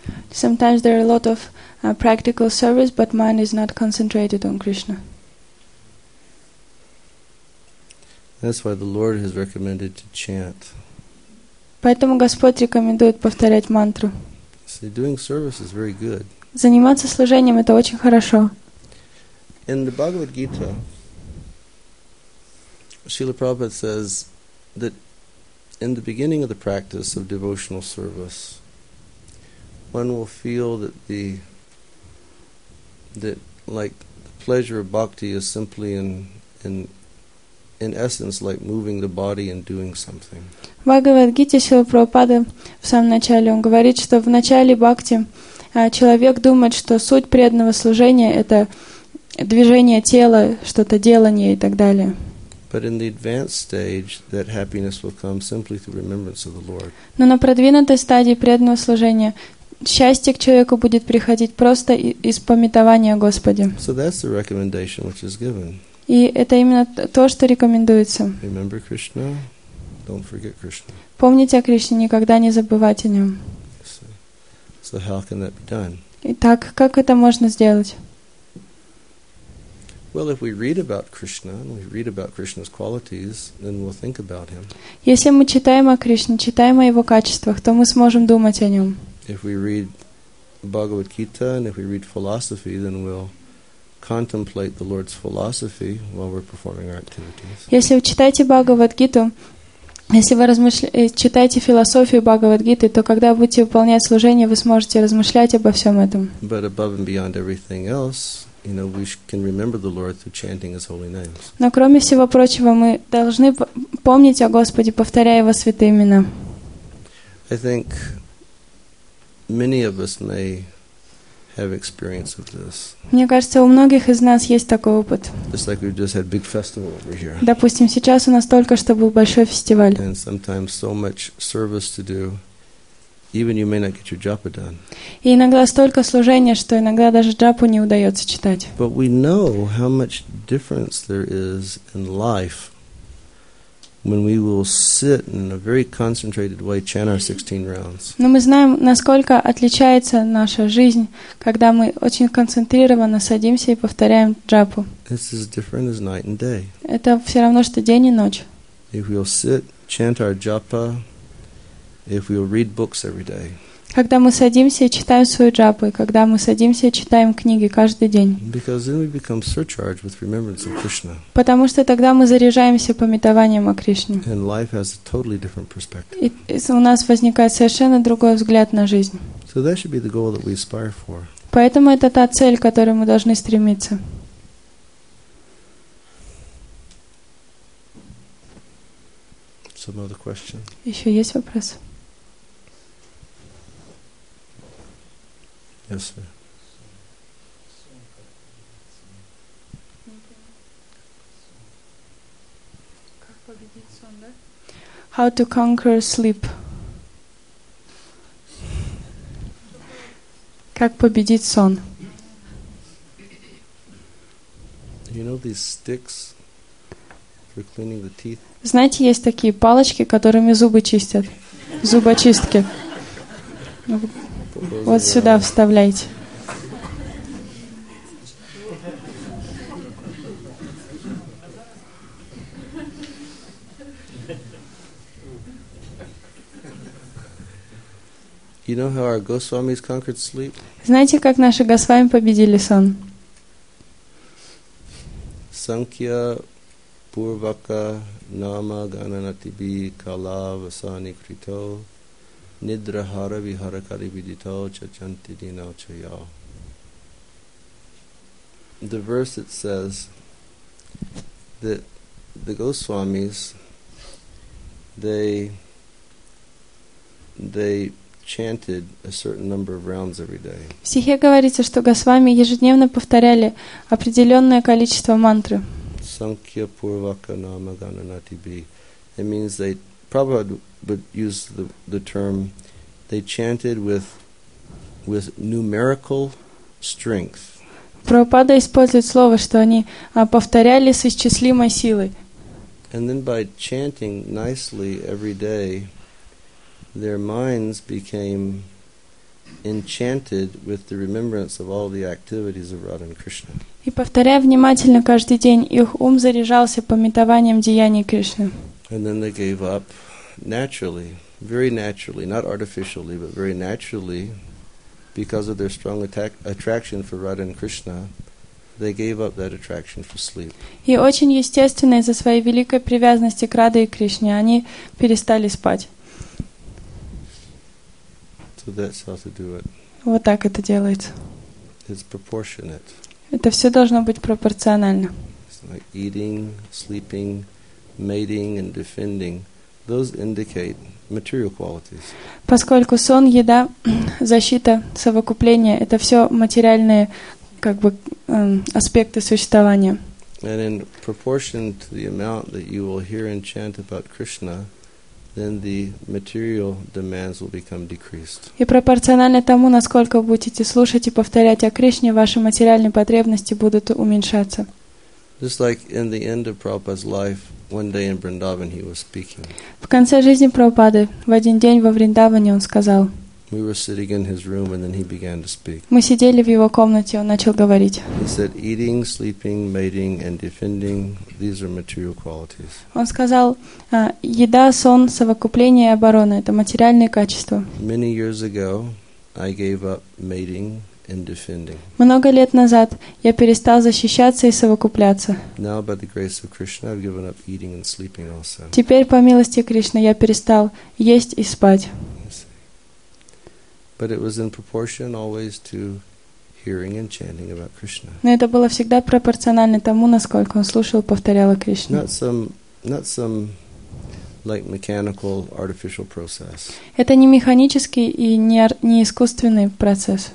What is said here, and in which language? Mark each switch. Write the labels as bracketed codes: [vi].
[en] Sometimes there are a lot of practical service, but mind is not concentrated on Krishna. That's why the Lord has recommended to chant. [ru] Поэтому Господь рекомендует повторять мантру. [en] See, doing service is very good. [ru] Заниматься служением – это очень хорошо. [en] In the Bhagavad Gita, Srila Prabhupada says that in the beginning of the practice of devotional service, one will feel that the pleasure of bhakti is simply in essence like moving the body and doing something. [ru] Bhagavad Gita Srila Prabhupada в самом начале он говорит, что в начале бхакти человек думает, что суть преданного служения это движение тела, что-то делание и так далее. [en] But in the advanced stage, that happiness will come simply through remembrance of the Lord. [ru] Но на продвинутой стадии преданного служения счастье к человеку будет приходить просто из памятования о Господе. [en] So that's the recommendation which is given. [ru] И это именно то, что рекомендуется. [en] Remember Krishna, don't forget Krishna. [ru] Помните о Кришне, никогда не забывайте о нем. [en] So how can that be done? [ru] Итак, как это можно сделать? [en] Well, if we read about Krishna, and we read about Krishna's qualities, then we'll think about him. [ru] Если мы читаем о Кришне, читаем о его качествах, то мы сможем думать о нем. [en] If we read Bhagavad Gita and if we read philosophy, then we'll contemplate the Lord's philosophy while we're performing our activities. [ru] Если вы читаете Бхагавад Гиту, если вы читаете философию Бхагавад Гиты, то когда будете выполнять служение, вы сможете размышлять обо всем этом. [en] But above and beyond everything else, you know, we can remember the Lord through chanting His holy names. [ru] Но кроме всего прочего, мы должны помнить о Господе, повторяя Его святые имена. [en] I think many of us may have experience of this. [ru] Мне кажется, у многих из нас есть такой опыт. [en] Just like we just had big festival over here. [ru] Допустим, сейчас у нас только что был большой фестиваль. [en] And sometimes so much service to do. Even you may not get your japa done. [ru] И иногда столько служения, что иногда даже джапу не удается читать. [en] But we know how much difference there is in life when we will sit in a very concentrated way, chant our 16 rounds. [ru] Но мы знаем, насколько отличается наша жизнь, когда мы очень концентрированно садимся и повторяем джапу. [en] This is different as night and day. [ru] Это все равно, что день и ночь. [en] If we'll sit, chant our japa. If we will read books every day. [ru] Когда мы садимся и читаем свою джапу, когда мы садимся и читаем книги каждый день. [en] Because then we become surcharged with remembrance of Krishna. [ru] Потому что тогда мы заряжаемся памятованием о Кришне. [en] And life has a totally different perspective. [ru] И у нас возникает совершенно другой взгляд на жизнь. [en] So that should be the goal that we aspire for. [ru] Поэтому это та цель, к которой мы должны стремиться. [en] Some other question? [ru] Еще есть вопрос? [en] Yes, sir. How to conquer sleep? [ru] Как победить сон? [en] You know these sticks for cleaning the teeth? [ru] Знаете, есть такие палочки, которыми зубы чистят, зубочистки. Вот сюда вставляйте. [en] You know how our Goswamis conquered sleep? [ru] Знаете, как наши Госвами победили сон? [sa] Sankhya Purvaka Nama Gananatibi Kala Vasani Krito. Nidrahara viharakari vidito chachanti dinau chayau. [en] The verse it says that the Goswamis they chanted a certain number of rounds every day. [ru] В стихе говорится, что Госвами ежедневно повторяли определенное количество мантры. [sa] Sankhya purvaka nama gananati bi. [en] It means they Prabhupada would use the term, they chanted with numerical strength. [ru] Прабхупада использует слово, что они повторяли с исчислимой силой. [en] And then by chanting nicely every day, their minds became enchanted with the remembrance of all the activities of Radha and Krishna. [ru] И повторяя внимательно каждый день, их ум заряжался памятованием деяний Кришны. [en] And then they gave up naturally, very naturally, not artificially, but very naturally, because of their strong attraction for Radha and Krishna, they gave up that attraction for sleep. [ru] И очень естественно из-за своей великой привязанности к Раде и Кришне, они перестали спать. [en] So that's how to do it. [ru] Вот так это делается. [en] It's proportionate. [ru] Это все должно быть пропорционально. [en] It's like eating, sleeping, mating and defending. Those indicate material qualities. [ru] Поскольку сон, еда, защита, совокупление — это все материальные как бы аспекты существования. [en] And in proportion to the amount that you will hear and chant about Krishna, then the material demands will become decreased. [ru] И пропорционально тому, насколько будете слушать и повторять о Кришне, ваши материальные потребности будут уменьшаться. [en] Just like in the end of Prabhupada's life, one day in Vrindavan he was speaking. [ru] В конце жизни Прабхупады, в один день во Вриндаване он сказал. [en] We were sitting in his room and then he began to speak. [ru] Мы сидели в его комнате, он начал говорить. [en] He said, eating, sleeping, mating and defending, these are material qualities. [ru] Он сказал, еда, сон, совокупление и оборона — это материальные качества. [en] Many years ago, I gave up mating and defending. [ru] Много лет назад я перестал защищаться и совокупляться. [en] Now, by the grace of Krishna, I've given up eating and sleeping also. [ru] Теперь, по милости Кришны, я перестал есть и спать. [en] But it was in proportion always to hearing and chanting about Krishna. [ru] Но это было всегда пропорционально тому, насколько он слушал, повторял о Кришне. [en] Not some like mechanical, artificial process. [ru] Это не механический и не искусственный процесс.